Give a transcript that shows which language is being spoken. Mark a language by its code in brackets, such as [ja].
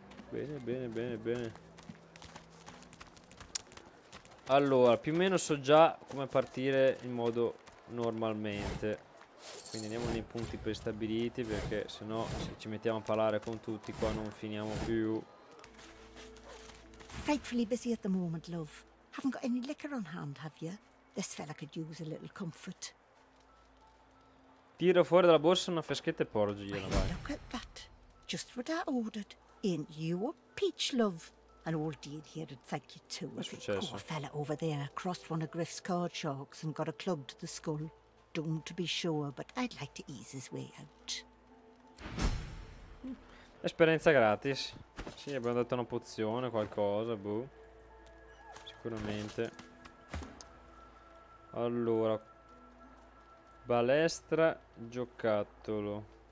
[it] Bene, bene, bene, bene. Allora, più o meno so già come partire in modo normalmente. Quindi andiamo nei punti prestabiliti, perché sennò se ci mettiamo a parlare con tutti qua non finiamo più. [en] Frightfully busy at the moment, love. Haven't got any liquor on hand, have you? This fella could use a little comfort. [it] Tiro fuori dalla borsa una fiaschetta e porgo gliela, vai. [en] Look at that. Just what I ordered. Ain't you a peach, love? An old deed here would thank you too. [it] What's successo? [en] Poor fella over there crossed one of Griff's card sharks and got a club to the skull. Doomed to be sure, but I'd like to ease his way out. [it] Esperienza gratis. Sì, abbiamo dato una pozione, qualcosa, boh. Sicuramente. Allora. Balestra, giocattolo.